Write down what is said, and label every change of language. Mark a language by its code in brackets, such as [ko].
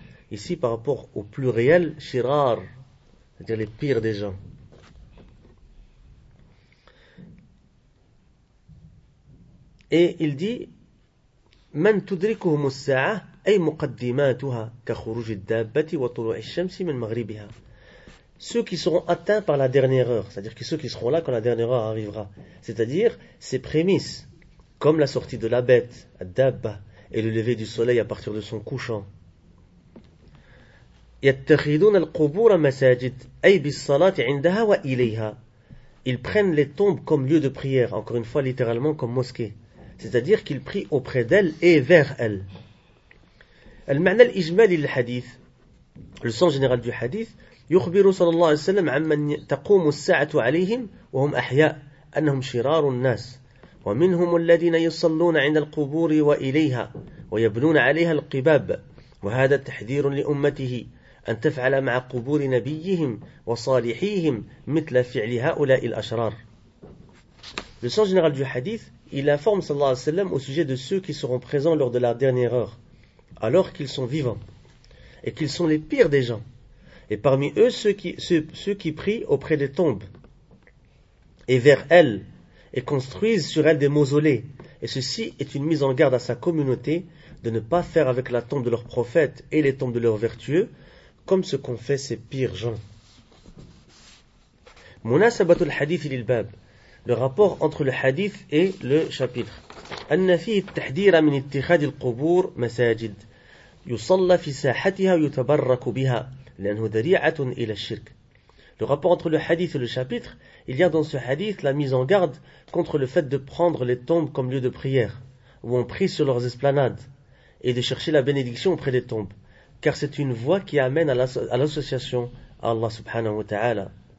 [fr] Ici, par rapport au pluriel, shirar, c'est-à-dire les pires des gens. Et il dit, [ar] من تدركهم الساعة أي مقدماتها كخروج الدابة وطلوع الشمس من مغربها. [fr] Ceux qui seront atteints par la dernière heure, c'est-à-dire que ceux qui seront là quand la dernière heure arrivera, c'est-à-dire ces prémices, comme la sortie de la bête, الدابة, et le lever du soleil à partir de son couchant. [ar] يتخذون القبور مساجد أي بالصلاة عندها وإليها. [fr] ils prennent les tombes comme lieu de prière, encore une fois littéralement comme mosquée. C'est-à-dire qu'ils prient auprès d'elles et vers elles. Le [ar] معنى الإجمالي للحديث, [fr] le sens général du hadith, [ar] يخبر صلى الله عليه وسلم عمن تقوم الساعة عليهم وهم أحياء أنهم شرار الناس ومنهم الذين يصلون عند القبور وإليها ويبنون عليها القباب وهذا تحذير لأمته أن تفعل مع قبور نبيهم وصالحيهم مثل فعل هؤلاء الأشرار. [fr] Le sens général du hadith, il informe [ar] صلى الله عليه وسلم [fr] au sujet de ceux qui seront présents lors de la dernière heure, alors qu'ils sont vivants, et qu'ils sont les pires des gens, et parmi eux ceux qui prient auprès des tombes, et vers elles, et construisent sur elles des mausolées, et ceci est une mise en garde à sa communauté de ne pas faire avec la tombe de leurs prophètes et les tombes de leurs vertueux, comme ce qu'ont fait ces pires gens. [ar] Munasabatu al-hadith lil-bab, [fr] le rapport entre le hadith et le chapitre. [ar] أن فيه التحذير من اتخاذ القبور مساجد يصلى في ساحتها ويتبرك بها لأنه ذريعة إلى الشرك. [fr] Le rapport entre le hadith et le chapitre, il y a dans ce hadith la mise en garde contre le fait de prendre les tombes comme lieu de prière, où on prie sur leurs esplanades, et de chercher la bénédiction auprès des tombes, car c'est une voie qui amène à l'association à Allah subhanahu wa ta'ala.